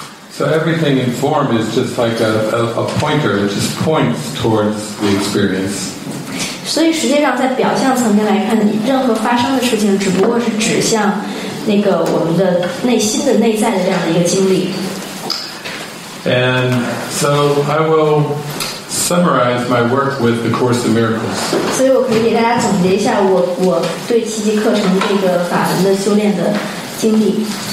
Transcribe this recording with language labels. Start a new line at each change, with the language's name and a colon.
English: So everything in form is just like a pointer, it just points towards the experience.
Chinese: 所以实际上在表象层面来看，任何发生的事情只不过是指向那个我们的内心的内在的这样的一个经历。
English: And so I will summarize my work with the Course in Miracles.
Chinese: 所以我可以给大家总结一下我对奇迹课程这个法门的修炼的经历。